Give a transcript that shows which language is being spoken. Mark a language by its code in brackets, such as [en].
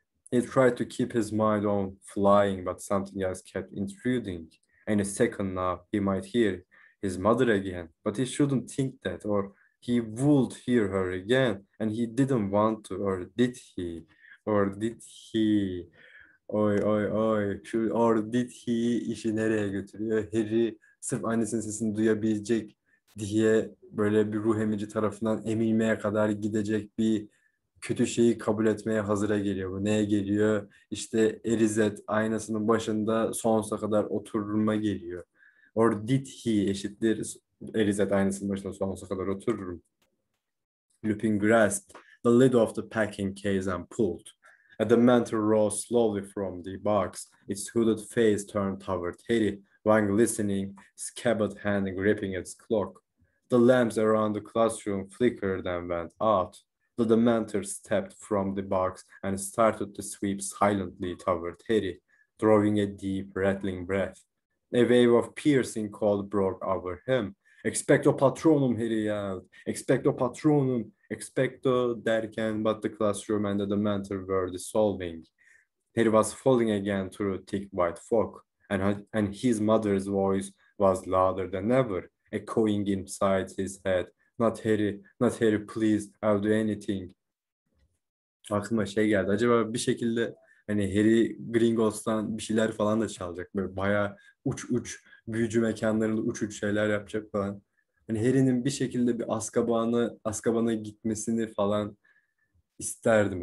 [en] He tried to keep his mind on flying, but something else kept intruding. In a second now, he might hear his mother again, but he shouldn't think that, or he would hear her again, and he didn't want to, or did he? Or did he? [tr] Oy oy oy, şu [en] or did he [tr] işi nereye götürüyor? Harry sırf annesinin sesini duyabilecek diye böyle bir ruh emici tarafından emilmeye kadar gidecek bir kötü şeyi kabul etmeye hazıra geliyor. Bu neye geliyor? İşte Erizet aynasının başında sonsuza kadar otururuma geliyor. [en] Or did he [tr] eşittir Erizet aynasının başında sonsuza kadar otururum. [en] Lupin grasped the lid of the packing case and pulled. A dementor rose slowly from the box, its hooded face turned toward Harry. Wang listening, scabbard hand gripping its clock. The lamps around the classroom flickered and went out. The dementor stepped from the box and started to sweep silently toward Harry, drawing a deep, rattling breath. A wave of piercing cold broke over him. Expecto patronum, Harry yelled. Expecto patronum. Expecto derken, but the classroom and the dementor were dissolving. Harry was falling again through thick white fog. And his mother's voice was louder than ever, echoing inside his head. Not Harry, not Harry, please, I'll do anything. [tr] Aklıma şey geldi, acaba bir şekilde hani Harry Gringotts'tan bir şeyler falan da çalacak. Böyle bayağı uç uç büyücü mekanlarında uç uç şeyler yapacak falan. Hani Harry'nin bir şekilde bir Azkaban'a gitmesini falan isterdim.